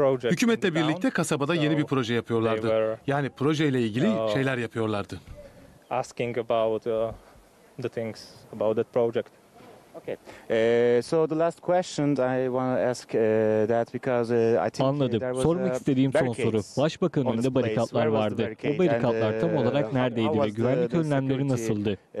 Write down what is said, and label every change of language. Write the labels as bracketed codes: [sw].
[tr] Hükümetle birlikte kasabada yeni bir proje yapıyorlardı. Yani projeyle ilgili şeyler yapıyorlardı. [en] Asking about the things about that project. So the last question I want to ask that because I think [tr] anladım. [en] There was [tr] sormak istediğim son soru. Başbakanın önünde barikatlar vardı. Bu barikatlar tam olarak neredeydi ve güvenlik önlemleri nasıldı?